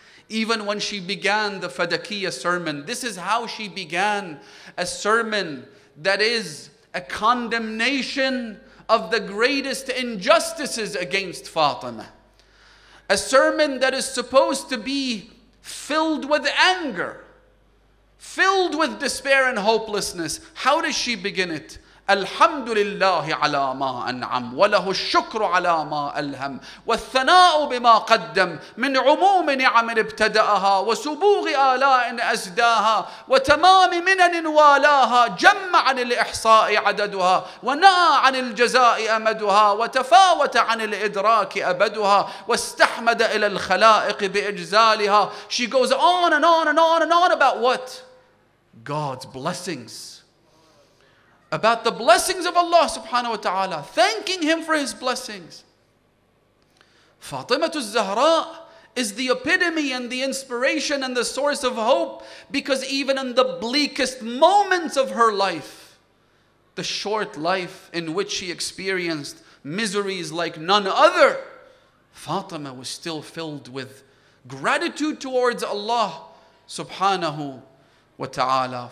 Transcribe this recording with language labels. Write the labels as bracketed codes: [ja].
[en] Even when she began the Fadakiyah sermon, this is how she began a sermon that is a condemnation of the greatest injustices against Fatima. A sermon that is supposed to be filled with anger, filled with despair and hopelessness. How does she begin it? [ar] الحمد لله على ما أنعم وله الشكر على ما ألهم والثناء بما قدم من عموم نعم ابتدأها وسبوغ آلاء أزداها وتمام منن والاها جمع عن الإحصاء عددها وناء عن الجزاء أمدها وتفاوت عن الإدراك أبدها واستحمد إلى الخلائق بإجزالها. [en] She goes on and on and on and on about what? God's blessings. About the blessings of Allah subhanahu wa ta'ala, thanking Him for His blessings. Fatimatu Zahra is the epitome and the inspiration and the source of hope, because even in the bleakest moments of her life, the short life in which she experienced miseries like none other, Fatima was still filled with gratitude towards Allah subhanahu wa ta'ala.